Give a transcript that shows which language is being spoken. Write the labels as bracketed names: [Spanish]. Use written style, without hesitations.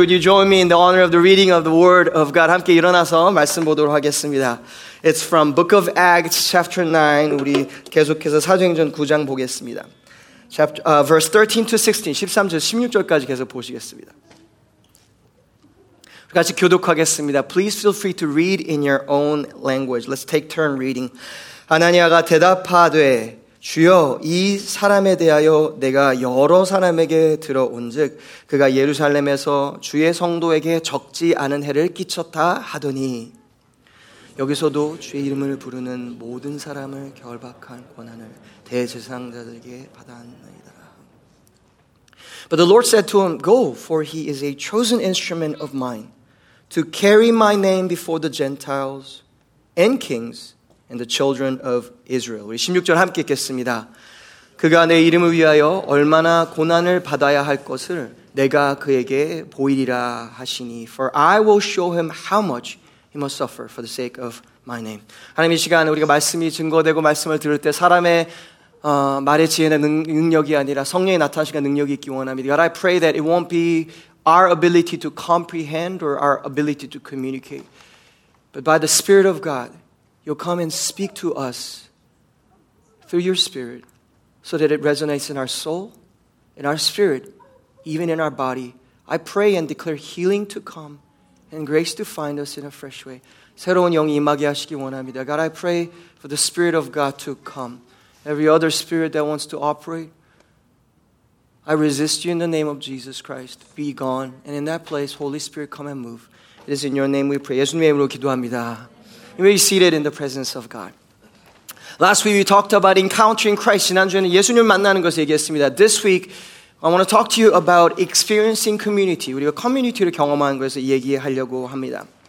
[English] Would you join me in the honor of the reading of the word of God? [Korean] 함께 일어나서 말씀 보도록 하겠습니다. [English] It's from Book of Acts, chapter 9. [Korean] 우리 계속해서 사도행전 9장 보겠습니다. [English] Verse 13 to 16, [Korean] 13절 16절까지 계속 보시겠습니다. 같이 교독하겠습니다. [English] Please feel free to read in your own language. Let's take turn reading. [Korean] 아나니아가 대답하되 주여 이 사람에 대하여 내가 여러 사람에게 들어온즉 그가 예루살렘에서 주의 성도에게 적지 않은 해를 끼쳤다 하더니 여기서도 주의 이름을 부르는 모든 사람을 결박한 권한을 대제사장들에게 받았나이다. [English] But the Lord said to him, Go, for he is a chosen instrument of mine to carry my name before the Gentiles and kings and the children of Israel. [Korean] 우리 16절 함께 읽겠습니다. 그가 내 이름을 위하여 얼마나 고난을 받아야 할 것을 내가 그에게 보이리라 하시니 [English] For I will show him how much he must suffer for the sake of my name. [Korean] 하나님 이 시간 우리가 말씀이 증거되고 말씀을 들을 때 사람의 말의 지혜나 능력이 아니라 성령이 나타나시는 능력이 있기 원합니다. [English] God, I pray that it won't be our ability to comprehend or our ability to communicate. But by the Spirit of God, You'll come and speak to us through your spirit so that it resonates in our soul, in our spirit, even in our body. I pray and declare healing to come and grace to find us in a fresh way. [Korean] 새로운 영이 임하게 하시기 원합니다. [English] God, I pray for the Spirit of God to come. Every other spirit that wants to operate, I resist you in the name of Jesus Christ. Be gone. And in that place, Holy Spirit, come and move. It is in your name we pray. [Korean] 예수님의 이름으로 기도합니다. [English] You may be seated in the presence of God. Last week we talked about encountering Christ. [Korean] 지난주에는 예수님을 만나는 것을 얘기했습니다. [English] This week I want to talk to you about experiencing community. [Korean] 우리가 커뮤니티를 경험하는 것을 얘기하려고 합니다.